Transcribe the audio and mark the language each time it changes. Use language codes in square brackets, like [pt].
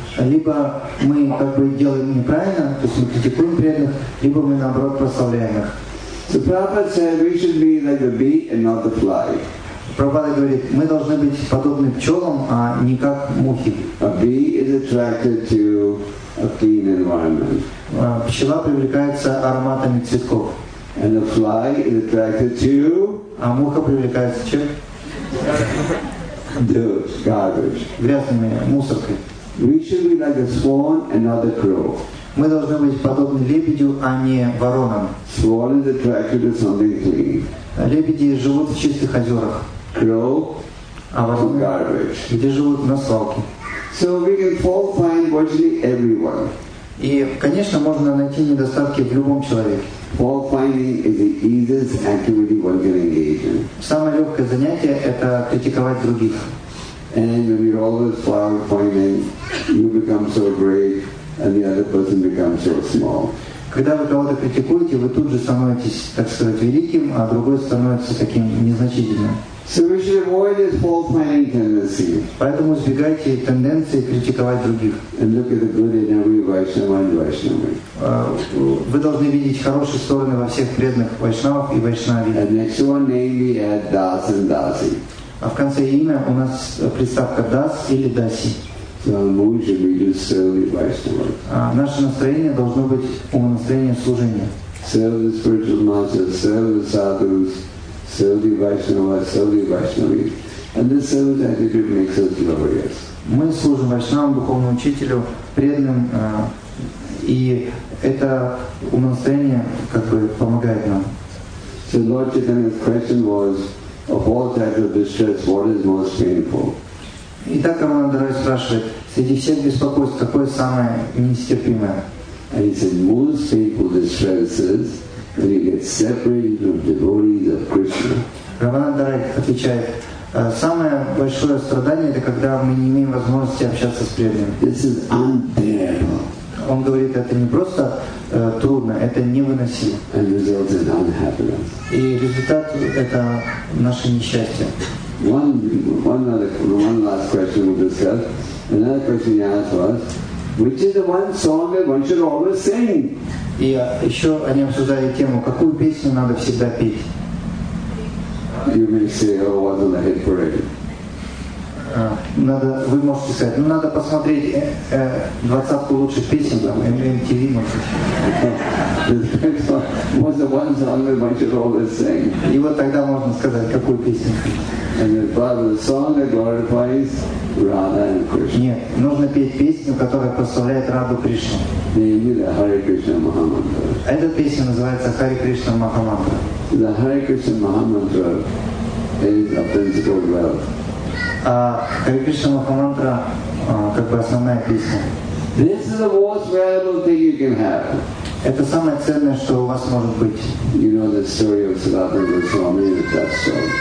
[ru] Либо мы как бы делаем неправильно, то есть мы критикуем преданных, либо мы наоборот прославляем их. [en] So Prabhupada said we should be like the bee and not the fly. [ru] Прабхупада говорит, мы должны быть подобны пчелам, а не как мухи. [en] A bee is attracted to a clean environment. [ru] Пчела привлекается ароматами цветков. [en] And the fly is attracted to. [ru] А муха привлекается чем? [en] The garbage. [ru] Грязными мусоркой. [en] We should be like a swan and not a crow. [ru] Мы должны быть подобны лебедю, а не воронам. [en] Swan is attracted to something clean. [ru] Лебеди живут в чистых озерах. [en] Crow. [ru] А вороны. [en] The garbage. [ru] Где живут на свалке. [en] So we can fault find virtually everyone. [ru] И, конечно, можно найти недостатки в любом человеке. [en] Fault finding is the easiest activity one can engage in. [ru] Самое легкое занятие – это критиковать других. [en] And when you're always fault finding, you become so great, and the other person becomes so small. [ru] Когда вы кого-то критикуете, вы тут же становитесь, так сказать, великим, а другой становится таким незначительным. [en] So we should avoid this fault-finding tendency. [ru] Поэтому избегайте тенденции критиковать других. [en] And look at the good in every Vaishnava and Vaishnava. [ru] Вы должны видеть хорошие стороны во всех преданных Вайшнавах и Вайшнаве. [en] And next one, namely, at Das and Dasi. [ru] А в конце имя у нас приставка Das или Dasi. [en] So the mood should be to serve the Vaishnava. [ru] Наше настроение должно быть умонастроение служения. [en] Serve the spiritual masters, serve the sadhus. Serve the Vaishnavas, serve the Vaishnavis. And this service attitude makes us glorious. [ru] Мы служим Вайшнавам, духовному учителю, преданным, и это умонастроение как бы помогает нам. [en] So Lord Chaitanya's question was, of all types of distress, what is most painful? [ru] И так Амандарай спрашивает, среди всех беспокойств, какое самое нестерпимое? [en] And he said, most painful distress is that you get separated from devotees of Krishna. [ru] Рамананда-рай отвечает, самое большое страдание — это когда мы не имеем возможности общаться с преданными. [en] This is unbearable. [ru] Он говорит, это не просто трудно, это невыносимо. [en] And results in unhappiness. [ru] И результат — это наше несчастье. [en] One last question we'll discuss. Another question he asked was, which is the one song that one should always sing? [ru] И еще они обсуждали тему, какую песню надо всегда петь. [en] You may say, oh, what a hit parade. [ru] Надо, вы можете сказать, ну надо посмотреть двадцатку лучших песен, там, MTV, может быть. И вот тогда можно сказать, какую песню. [en] The song that glorifies Radha and Krishna. [ru] Нет, нужно петь песню, которая прославляет Раду Кришну. [en] Hare Krishna Mahamantra. [ru] Эта песня называется Hare Krishna Mahamantra. [en] The Hare Krishna Mahamantra is a principle of wealth. [ru] А Hare Krishna Mahamantra как бы основная песня. [en] This is the most valuable thing you can have. [ru] Это самое ценное, что у вас может быть. [en] You know the story of Sanatana Goswami and that story.